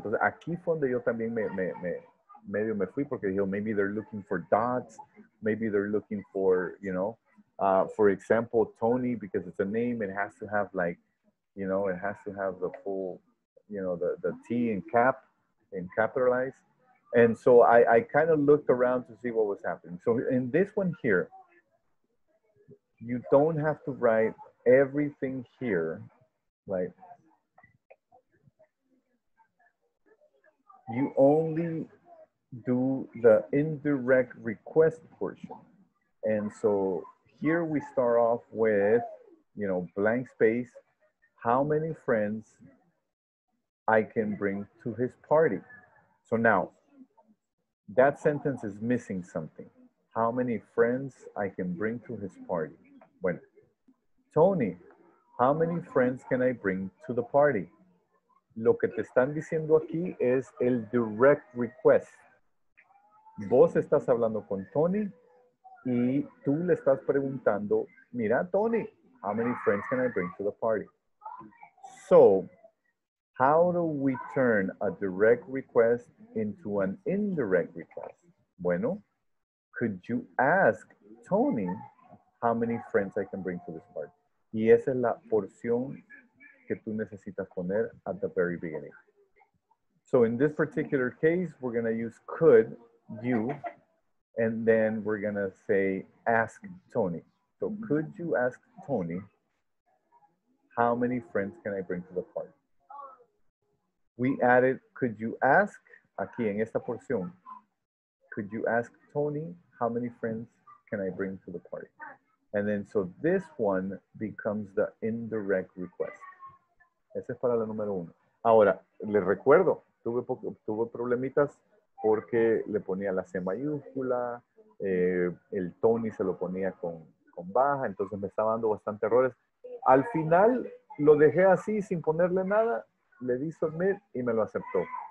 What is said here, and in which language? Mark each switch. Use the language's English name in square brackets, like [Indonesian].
[Spanish] Entonces, aquí fue donde yo también me fui porque dije, [English] maybe they're looking for dots. Maybe they're looking for, you know, for example, Tony, because it's a name. It has to have like, you know, it has to have the full, you know, the T in cap, in capitalized. And so I kind of looked around to see what was happening. So in this one here, you don't have to write everything here, like you only do the indirect request portion. And so here we start off with, you know, blank space, how many friends I can bring to his party. So now that sentence is missing something. How many friends I can bring to his party. Bueno, Tony, how many friends can I bring to the party? [Spanish] Lo que te están diciendo aquí es el direct request. Vos estás hablando con Tony y tú le estás preguntando, mira, Tony, [English] how many friends can I bring to the party? So, how do we turn a direct request into an indirect request? Bueno, could you ask Tony how many friends I can bring to this party? [Spanish] Y esa es la porción que tú necesitas poner [English] at the very beginning. So in this particular case, we're going to use could you, and then we're going to say ask Tony. So could you ask Tony how many friends can I bring to the party? We added, could you ask, [Spanish] aquí en esta porción, [English] could you ask Tony how many friends can I bring to the party? And then, so this one becomes the indirect request. [Spanish] Ese es para la número uno. Ahora, les recuerdo, tuve problemitas porque le ponía la C mayúscula, el Tony se lo ponía con baja, entonces me estaba dando bastante errores. Al final, lo dejé así sin ponerle nada, le di submit y me lo aceptó.